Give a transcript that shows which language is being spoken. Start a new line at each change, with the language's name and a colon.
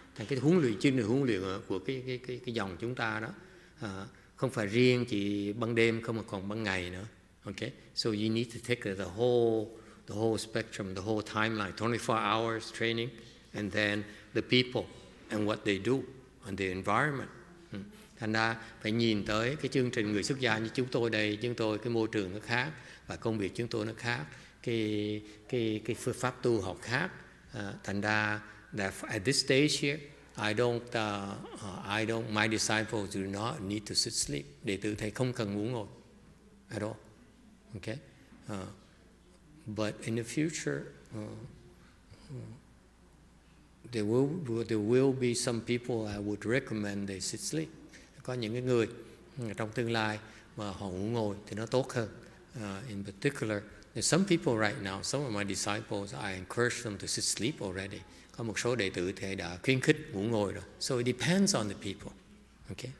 Vietnamese: Thành cái huấn luyện chuyên là huấn luyện của cái dòng chúng ta đó không phải riêng chỉ ban đêm không mà còn ban ngày nữa.
English: Okay, so you need to take the whole spectrum, the whole timeline, 24 hours training, and then the people and what they do and the environment.
Vietnamese: Thành ra phải nhìn tới cái chương trình người xuất gia như chúng tôi đây, chúng tôi cái môi trường nó khác và công việc chúng tôi nó khác. Cái phương pháp tu học khác thành ra
English: that at this stage here I don't my disciples do not need to sit sleep.
Vietnamese: Đệ tử thầy không cần ngủ ngồi
English: at all. Okay, but in the future there will be some people I would recommend they sit sleep.
Vietnamese: Có những cái người trong tương lai mà họ ngủ ngồi thì nó tốt hơn.
English: In particular, some people right now, some of my disciples, I encourage them to sit sleep already.
Vietnamese: Có một số đệ tử thì đã khuyến khích ngủ ngồi rồi.
English: So it depends on the people. Okay,